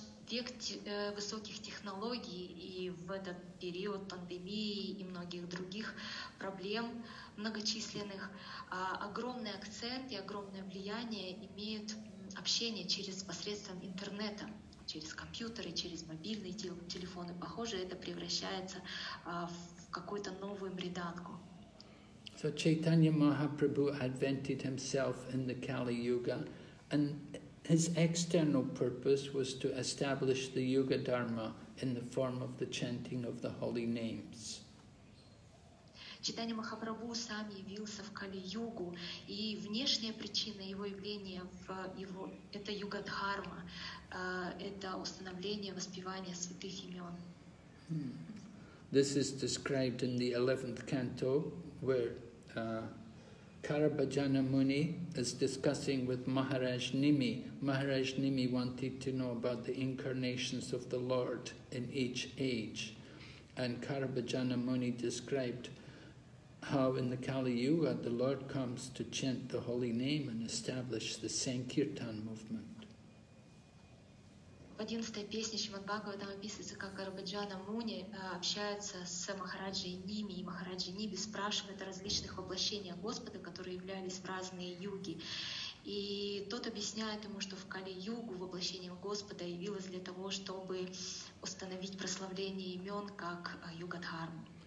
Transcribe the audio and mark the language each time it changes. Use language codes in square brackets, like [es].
[ru] Век высоких технологий и в этот период пандемии и многих других проблем многочисленных огромный акцент и огромное влияние имеют общение через посредством интернета, через компьютеры, через мобильные телефоны. Похоже, это превращается в какую-то новую мриданку. [en] So Chaitanya Mahaprabhu advented himself in the Kali Yuga, and his external purpose was to establish the Yuga Dharma in the form of the chanting of the holy names. [ru] Чайтанья Махапрабху сам явился в Кали-югу, и внешняя причина его явления в его это юга-дхарма, это установление воспевания святых имен. [en] This is described in the 11th canto, where Karabhajana Muni is discussing with Maharaj Nimi. Maharaj Nimi wanted to know about the incarnations of the Lord in each age. And Karabhajana Muni described how in the Kali Yuga the Lord comes to chant the holy name and establish the Sankirtan movement. [ru] В 11-й песне Шримад-Бхагаватам описывается, как Карабаджана Муни общается с Махараджей Ними, и Махараджей Ними спрашивает о различных воплощениях Господа, которые являлись в разные юги. И тот объясняет ему, что в Кали-югу воплощением Господа явилось для того, чтобы установить прославление имен как юга-дхарму.